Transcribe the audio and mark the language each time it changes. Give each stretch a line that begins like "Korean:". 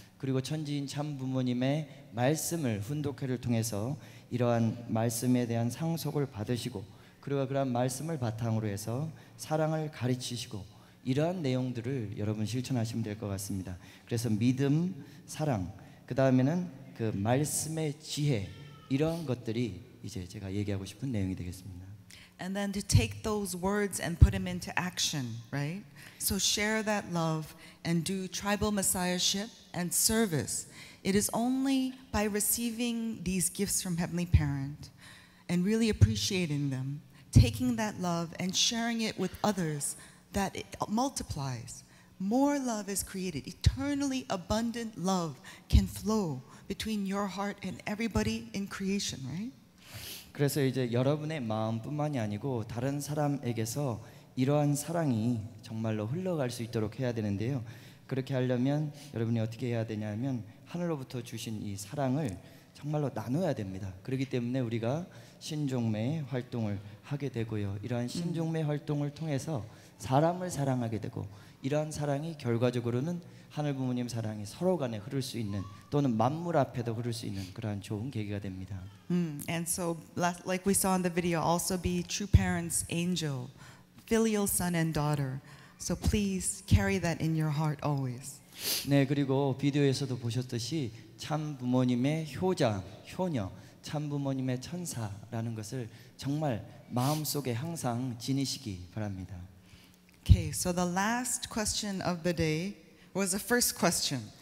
Korean: 그리고 천지인 참 부모님의 말씀을 훈독회를 통해서 이러한 말씀에 대한 상속을 받으시고, 그리고 그런 말씀을 바탕으로 해서 사랑을 가르치시고, 이러한 내용들을 여러분 실천하시면 될 것 같습니다. 그래서 믿음, 사랑, 그 다음에는 그 말씀의 지혜, 이러한 것들이 이제 제가 얘기하고 싶은 내용이 되겠습니다.
English: And then to take those words and put them into action, right? So share that love and do tribal messiahship and service. It is only by receiving these gifts from Heavenly Parent and really appreciating them, taking that love and sharing it with others, that it multiplies. More love is created. Eternally abundant love can flow between your heart and everybody in creation, right?
Korean: 그래서 이제 여러분의 마음뿐만이 아니고 다른 사람에게서 이러한 사랑이 정말로 흘러갈 수 있도록 해야 되는데요. 그렇게 하려면 여러분이 어떻게 해야 되냐면 하늘로부터 주신 이 사랑을 정말로 나누어야 됩니다. 그렇기 때문에 우리가 신종매 활동을 하게 되고요. 이러한 신종매 활동을 통해서 사람을 사랑하게 되고, 이러한 사랑이 결과적으로는 하늘 부모님 사랑이 서로 간에 흐를 수 있는, 또는 만물 앞에도 흐를 수 있는 그러한 좋은 계기가 됩니다.
English: And so like we saw in the video, also be true parents' angel, filial son and daughter. So please carry that in your heart always.
Korean: 네, 그리고 비디오에서도 보셨듯이 참 부모님의 효자, 효녀, 참 부모님의 천사라는 것을 정말 마음속에 항상 지니시기 바랍니다.
English: Okay, so the last question of the day was the first question.